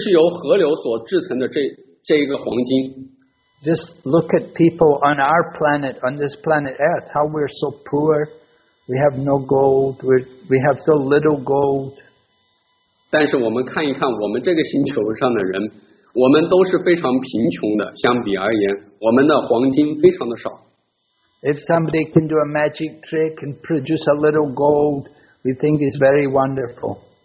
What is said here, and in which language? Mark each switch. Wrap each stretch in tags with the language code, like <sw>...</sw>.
<zh>而这些黄金只是被这个河流，这是由河流所制成的这一个黄金。</zh> <en>Just look at people on our planet, on this planet Earth, how we're so poor, we have no gold, we have so little gold.</en> <zh>但是我们看一看我们这个星球上的人。我们都是非常贫穷的，相比而言，我们的黄金非常的少。</zh> <en>If somebody can do a magic trick and produce a little gold, we think it's very wonderful.</en>